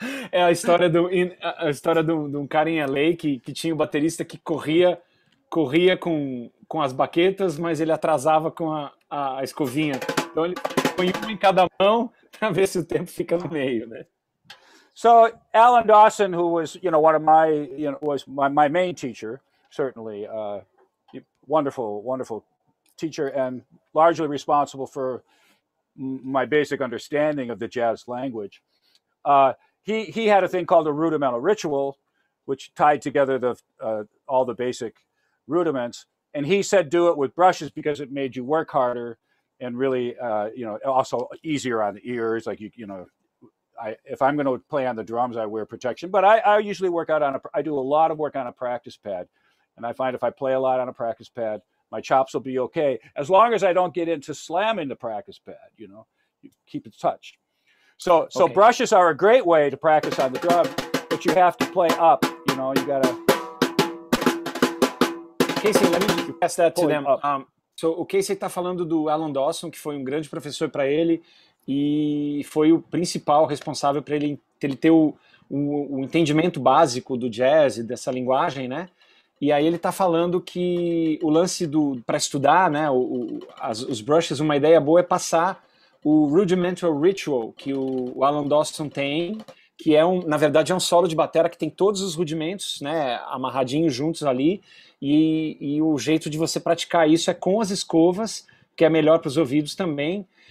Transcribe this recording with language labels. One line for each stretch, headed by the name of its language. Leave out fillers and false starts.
Portuguese: É a história de um cara em LA que tinha um baterista que corria com as baquetas, mas ele atrasava com a escovinha. Então ele põe um em cada mão para ver se o tempo fica no meio, né?
English: So, Alan Dawson, who was, you know, one of my, you know, was my main teacher, certainly, wonderful, wonderful teacher and largely responsible for my basic understanding of the jazz language. He had a thing called a rudimental ritual, which tied together the all the basic rudiments. And he said, do it with brushes because it made you work harder. and really, you know, also easier on the ears. Like, you know, if I'm going to play on the drums, I wear protection. But I usually work out I do a lot of work on a practice pad. And I find if I play a lot on a practice pad, my chops will be okay, as long as I don't get into slamming the practice pad, you know, you keep it touched. So okay. Brushes are a great way to practice on the drum, but you have to play up, you know, you gotta. Casey, let me pass that to them.
Portuguese: So o Casey tá falando do Alan Dawson, que foi um grande professor para ele e foi o principal responsável para ele ter o entendimento básico do jazz e dessa linguagem, né? E aí ele tá falando que o lance do para estudar, né, os brushes, uma ideia boa é passar o Rudimental Ritual que o Alan Dawson tem, que é na verdade é um solo de batera que tem todos os rudimentos, né, amarradinhos juntos ali, e o jeito de você praticar isso é com as escovas, que é melhor para os ouvidos também.